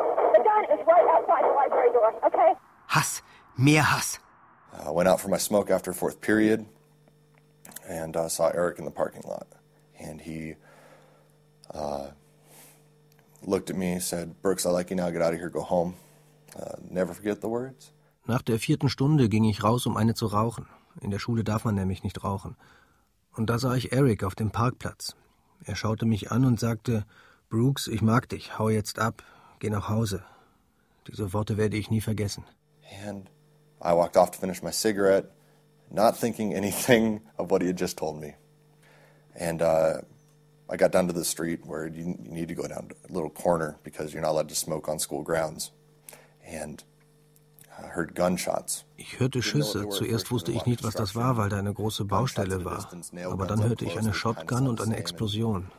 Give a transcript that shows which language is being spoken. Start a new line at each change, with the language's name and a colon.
English: The gun is right outside the library door. Okay.
German: Hass, mehr Hass.
English: I went out for my smoke after fourth period and saw Eric in the parking lot. And he looked at me, said, Brooks, I like you now, get out of here, go home. Never forget the words.
German: Nach der vierten Stunde ging ich raus, um eine zu rauchen. In der Schule darf man nämlich nicht rauchen. Und da sah ich Eric auf dem Parkplatz. Er schaute mich an und sagte, Brooks, ich mag dich, hau jetzt ab, geh nach Hause. Diese Worte werde ich nie vergessen.
English: And I walked off to finish my cigarette, not thinking anything of what he had just told me. And I got down to the street where you need to go down a little corner because you're not allowed to smoke on school grounds. And I heard gunshots.
German: Ich hörte Schüsse. Zuerst wusste ich nicht, was das war, weil da eine große Baustelle war. Aber dann hörte ich eine Shotgun und eine Explosion.